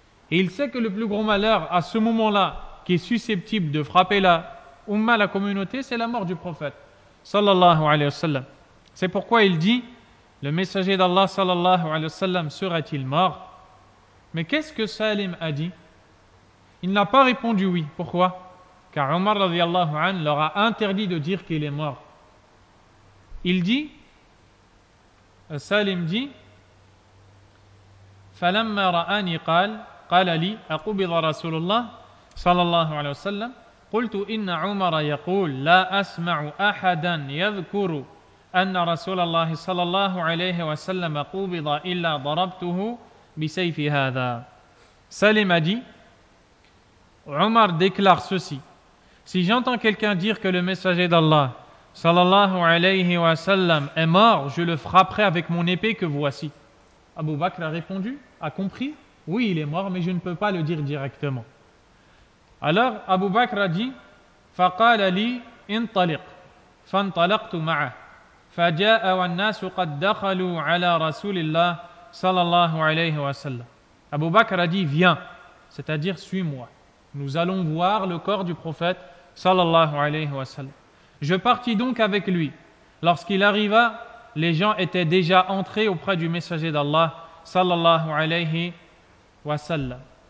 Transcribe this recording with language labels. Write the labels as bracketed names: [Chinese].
[French] Et il sait que le plus gros malheur à ce moment-là qui est susceptible de frapper la Ummah, la communauté, c'est la mort du prophète sallallahu alayhi wa sallam. C'est pourquoi il dit: le messager d'Allah sallallahu alayhi wa sallam serait-il mort? Mais qu'est-ce que Salim a dit? Il n'a pas répondu oui. Pourquoi? Car Omar radiallahu anhu leur a interdit de dire qu'il est mort. Il dit, Salim dit: [Arabic] فَلَمَّا رَآنِي قَالَ لِي أَقُبِضَ رَسُولُ اللَّهِ صَلَى اللَّهُ عَلَيْهِ وَسَلَّمَ قُلْتُ إِنَّ عُمَرَ يَقُولُ لَا أَسْمَعُ أَحَدًا يَذْكُرُ أَنَّ رَسُولَ اللَّهِ صَلَى اللَّهُ عَلَيْهِ وَسَلَّمَ قُبِضَ إِلَّا ضَرَبْتُهُ بِسَيْفِ هَذَا. [French] Salim a dit: Omar déclare ceci: si j'entends quelqu'un dire que le messager d'Allah sallallahu alayhi wa sallam est mort, je le frapperai avec mon épée que voici. Abu Bakr a répondu, a compris: oui, il est mort, mais je ne peux pas le dire directement. Alors Abu Bakr a dit: [Arabic] فَقَالَ لِي انطلق فَانطلقتُ مَعَهُ فَجَاءَ وَالنَّاسُ قَدْ دَخَلُوا عَلَى رَسُولِ اللَّهِ sallallahu alayhi wa sallam. [French] Abu Bakr a dit: viens, c'est-à-dire suis-moi, nous allons voir le corps du prophète sallallahu alayhi wa sallam. Je partis donc avec lui. Lorsqu'il arriva, les gens étaient déjà entrés auprès du messager d'Allah sallallahu alayhi wa sallam.